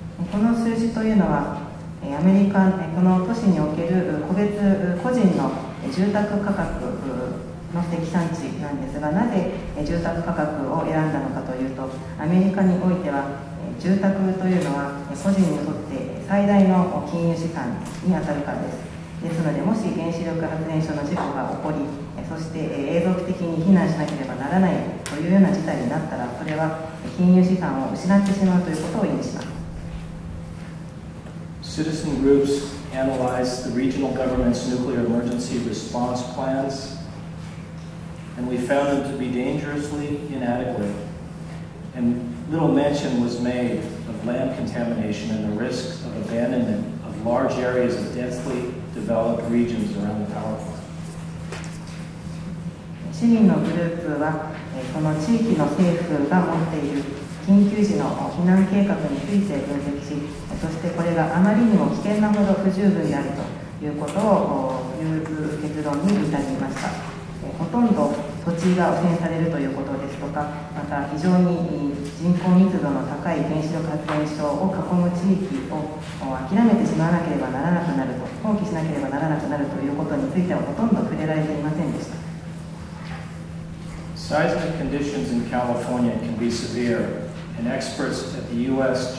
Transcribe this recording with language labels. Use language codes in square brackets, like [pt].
[ja] この数字というのは、アメリカこの都市における個人の住宅価格の積算値なんですが、なぜ住宅価格を選んだのかというと、アメリカにおいては住宅というのは個人にとって最大の金融資産にあたるからです。ですので、もし原子力発電所の事故が起こり、そして永続的に避難しなければならないというような事態になったら、それは金融資産を失ってしまうということを意味します。 [en] Citizen groups analyze the regional government's nuclear emergency response plansAnd we found them to be dangerously inadequate. And little mention was made of land contamination and the risk of abandonment of large areas of densely developed regions around the power plant. [ja] 市民のグループは、この地域の政府が持っている緊急時の避難計画について分析し、そしてこれがあまりにも危険なほど不十分であるということをいう結論に至りました。ほとんど土地が汚染されるということですとか、また非常に人口密度の高い原子力発電所を囲む地域を諦めてしまわなければならなくなると、放棄しなければならなくなるということについてはほとんど触れられていませんでした。 [en] Seismic conditions in California can be severe, and experts at the U.S.